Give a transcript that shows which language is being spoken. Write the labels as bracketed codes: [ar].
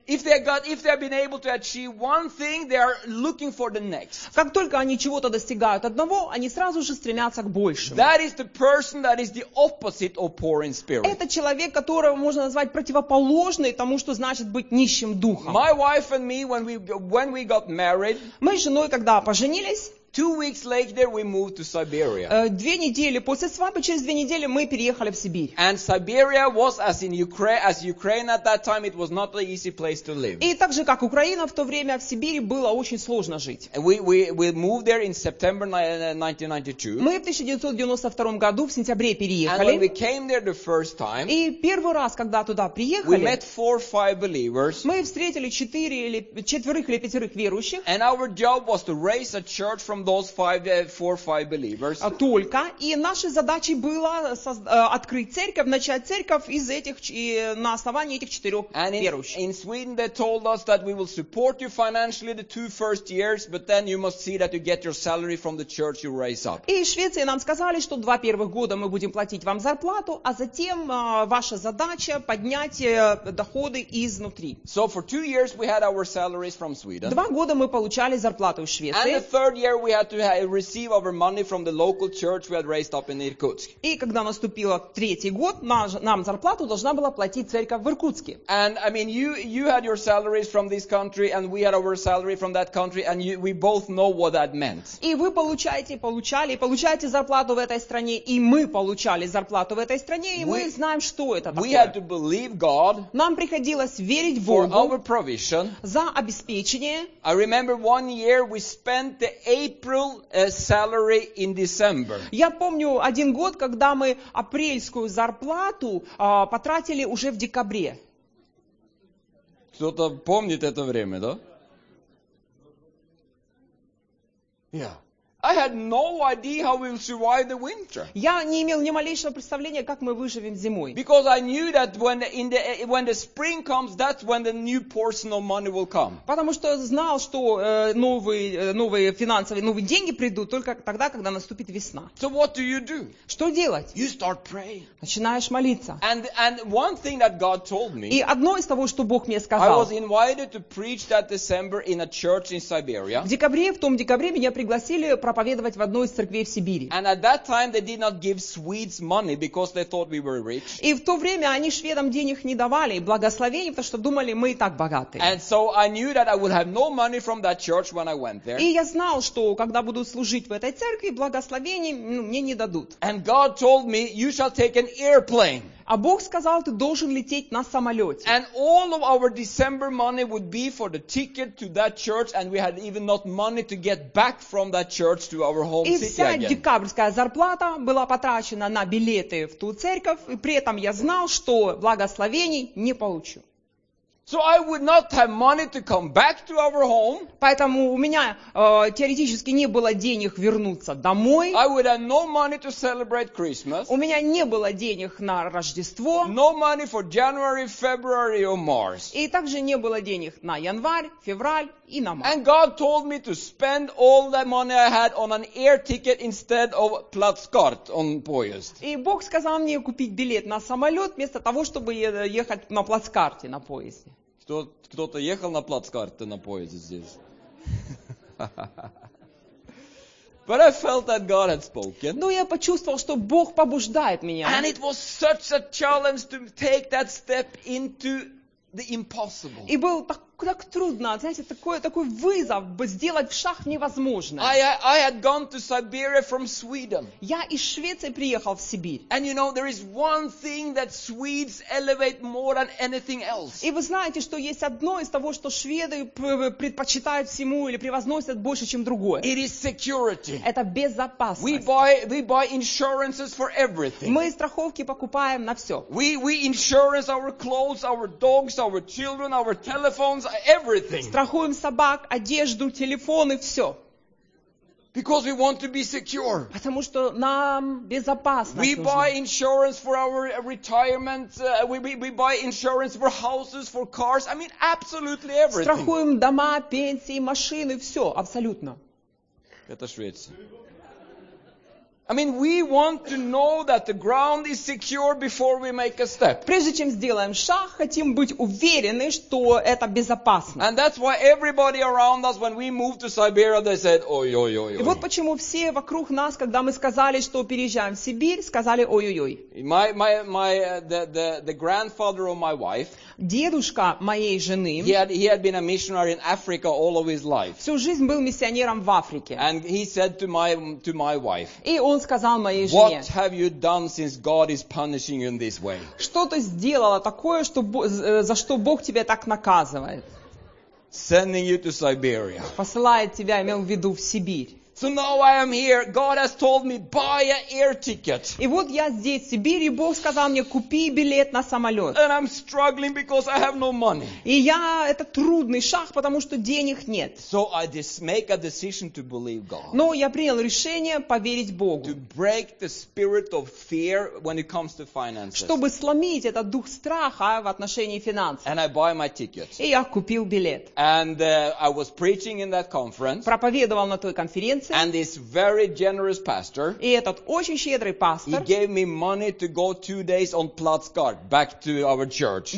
[en] If they have been able to achieve one thing, they are looking for the next. [ru] Как только они чего-то достигают одного, они сразу же стремятся к большему. [en] That is the person that is the opposite of poor in spirit. [ru] Это человек, которого можно назвать противоположный тому, что значит быть нищим духом. [en] My wife and me, when we got married, [ru] мы с женой когда поженились, [en] 2 weeks later we moved to Siberia. [ru] 2 недели после свадьбы, через 2 недели мы переехали в Сибирь. [en] And Siberia was as in Ukraine, as Ukraine at that time, it was not an easy place to live. [ru] И так же, как Украина в то время, в Сибири было очень сложно жить. [en] We moved there in September 1992. [ru] Мы в 1992 году, в сентябре переехали. [en] And when we came there the first time, [ru] и первый раз, когда туда приехали, [en] we met 4 or 5 believers. [ru] Мы встретили 4 или 4 или 5 верующих. [en] And our job was to raise a church from those five, four, five believers. [ru] Только. И нашей задачей было открыть церковь, начать церковь из этих, на основании этих четырех верующих. [en] In Sweden they told us that we will support you financially the two first years, but then you must see that you get your salary from the church you raise up. [ru] И в Швеции нам сказали, что два первых года мы будем платить вам зарплату, а затем ваша задача поднять доходы изнутри. [en] So for 2 years we had our salaries from Sweden. [ru] 2 года мы получали зарплату в Швеции. [en] And the third year we had to receive our money from the local church we had raised up in Irkutsk. [ru] И когда наступил третий год, нам зарплату должна была платить церковь в Иркутске. [en] And I mean, you had your salaries from this country, and we had our salary from that country, and we both know what that meant. [ru] И вы получаете зарплату в этой стране, и мы получали зарплату в этой стране, и мы знаем, что это такое. [en] We had to believe God. [ru] Нам приходилось верить Богу. [en] For our provision. [ru] За обеспечение. [en] I remember one year we spent the April salary in December. [ru] Я помню один год, когда мы апрельскую зарплату потратили уже в декабре. Кто-то помнит это время, да? [en] Yeah. I had no idea how we'll survive the winter. [ru] Я не имел ни малейшего представления, как мы выживем зимой. [en] Because I knew that when the spring comes, that's when the new portion of money will come. [ru] Потому что знал, что новые деньги придут только тогда, когда наступит весна. [en] So what do you do? [ru] Что делать? [en] You start praying. [ru] Начинаешь молиться. [en] And one thing that God told me. [ru] И одно из того, что Бог мне сказал. [en] I was invited to preach that December in a church in Siberia. [ru] В том декабре меня пригласили проповедовать в одной из церквей в Сибири. [en] And at that time they did not give Swedes money because they thought we were rich. [ru] И в то время они шведам денег не давали, благословений, потому что думали, мы и так богаты. [en] And so I knew that I would have no money from that church when I went there. [ru] И я знал, что когда буду служить в этой церкви, благословений мне не дадут. [en] And God told me, you shall take an airplane. [ru] А Бог сказал, ты должен лететь на самолете. [en] And all of our December money would be for the ticket to that church, and we had even not money to get back from that church to our home city again. [ru] И вся декабрьская зарплата была потрачена на билеты в ту церковь, и при этом я знал, что благословений не получу. [en] So I would not have money to come back to our home. [ru] Поэтому у меня теоретически не было денег вернуться домой. [en] I would have no money to celebrate Christmas. [ru] У меня не было денег на Рождество. [en] No money for January, February or March. [ru] И также не было денег на январь, февраль и на март. [en] And God told me to spend all the money I had on an air ticket instead of plotskort on [ru] поезд. И Бог сказал мне купить билет на самолет вместо того, чтобы ехать на плацкарте на поезд. Кто-то ехал на плацкарте на поезде здесь. [en] But I felt that God had spoken. [ru] Но я почувствовал, что Бог побуждает меня. [en] And it was such a challenge to take that step into the impossible. [ru] И было так трудно, знаете, такой вызов сделать шаг невозможно. [en] I had gone to Siberia from Sweden. [ru] Я из Швеции приехал в Сибирь. [en] And you know, there is one thing that Swedes elevate more than anything else. [ru] И вы знаете, что есть одно из того, что шведы предпочитают всему или превозносят больше, чем другое. [en] It is security. [ru] Это безопасность. [en] We buy insurances for everything. [ru] Мы страховки покупаем на все. [en] We insurance our clothes, our dogs, our children, our telephones. Everything. [ru] Страхуем собак, одежду, телефоны, все. [en] Because we want to be secure. [ru] Потому что нам безопасно. [en] We buy insurance for our retirement. We buy insurance for houses, for cars. I mean, absolutely everything. [ru] Страхуем дома, пенсии, машины, все, абсолютно. Это Швеция. [en] I mean, we want to know that the ground is secure before we make a step. [ru] Прежде чем сделаем шаг, хотим быть уверены, что это безопасно. [en] And that's why everybody around us, when we moved to Siberia, they said, [ru] "Ой, ой, ой, ой." И вот почему все вокруг нас, когда мы сказали, что переезжаем в Сибирь, сказали, "Ой, ой, ой." [en] My grandfather of my wife. [ru] Дедушка моей жены. [en] He had been a missionary in Africa all of his life. [ru] Всю жизнь был миссионером в Африке. [en] And he said to my wife. [ru] Он сказал моей жене, [en] What have you done since God is punishing you in this way? [ru] Что ты сделала такое, за что Бог тебя так наказывает? [en] Sending you to Siberia. [ru] Посылает тебя, имел в виду, в Сибирь. [en] So now I am here. God has told me buy an air ticket. [ru] И вот я здесь, в Сибири, Бог сказал мне купи билет на самолет. [en] And I'm struggling because I have no money. [ru] И я это трудный шаг, потому что денег нет. [en] So I just make a decision to believe God. [ru] Но я принял решение поверить Богу. [en] To break the spirit of fear when it comes to finances. [ru] Чтобы сломить этот дух страха в отношении финансов. [en] And I buy my ticket. [ru] И я купил билет. [en] And I was preaching in that conference. [ru] Проповедовал на той конференции. [en] And this very generous pastor, [ru] и этот очень щедрый пастор, [en] he gave me money to go 2 days on Plattsgård back to our church.